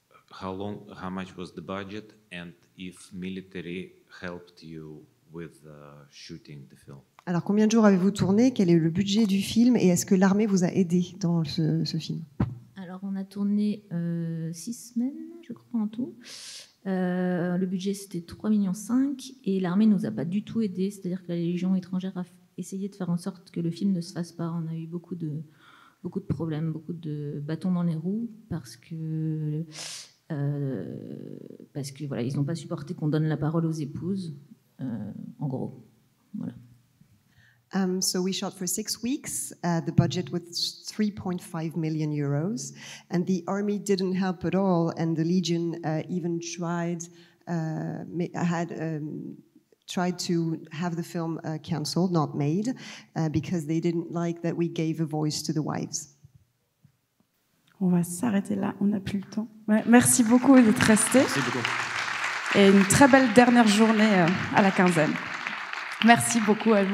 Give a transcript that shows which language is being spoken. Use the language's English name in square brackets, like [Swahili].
[English] How long, how much was the budget, and if military helped you with shooting the film? [French] Alors, combien de jours avez-vous tourné? Quel est le budget du film? Et est-ce que l'armée vous a aidé dans ce film? Alors, on a tourné 6 semaines, je crois, en tout. Le budget, c'était 3,5 millions, et l'armée ne nous a pas du tout aidé. C'est-à-dire que la Légion étrangère a essayé de faire en sorte que le film ne se fasse pas. On a eu beaucoup de problèmes, beaucoup de bâtons dans les roues, parce que voilà, ils n'ont pas supporté qu'on donne la parole aux épouses, en gros. Voilà. [English] So we shot for 6 weeks. The budget was 3.5 million euros, and the army didn't help at all. And the Legion even tried to have the film cancelled, not made, because they didn't like that we gave a voice to the wives. [French] On va s'arrêter là, on n'a plus le temps. Ouais, merci beaucoup d'être resté. Merci beaucoup. Et une très belle dernière journée à la quinzaine. Merci beaucoup à vous.